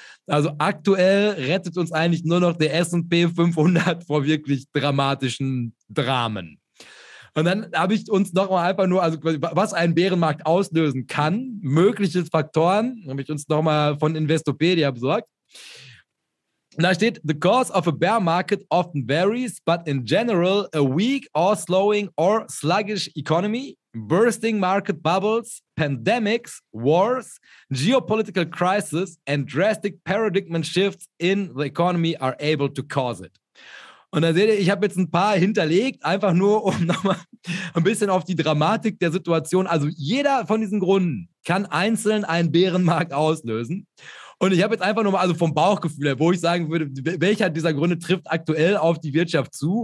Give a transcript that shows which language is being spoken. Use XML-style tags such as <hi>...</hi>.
<de>Also aktuell rettet uns eigentlich nur noch der S&P 500 vor wirklich dramatischen Dramen. Und dann habe ich uns noch mal einfach nur, also was einen Bärenmarkt auslösen kann, mögliche Faktoren, habe ich uns noch mal von Investopedia besorgt. Und da steht,</de> <en>the cause of a bear market often varies, but in general a weak or slowing or sluggish economy, bursting market bubbles, pandemics, wars, geopolitical crisis and drastic paradigm shifts in the economy are able to cause it.</en> <de>Und da seht ihr, ich habe jetzt ein paar hinterlegt, einfach nur, um nochmal ein bisschen auf die Dramatik der Situation. Also jeder von diesen Gründen kann einzeln einen Bärenmarkt auslösen. Und ich habe jetzt einfach nur mal, also vom Bauchgefühl her, wo ich sagen würde, welcher dieser Gründe trifft aktuell auf die Wirtschaft zu?</de>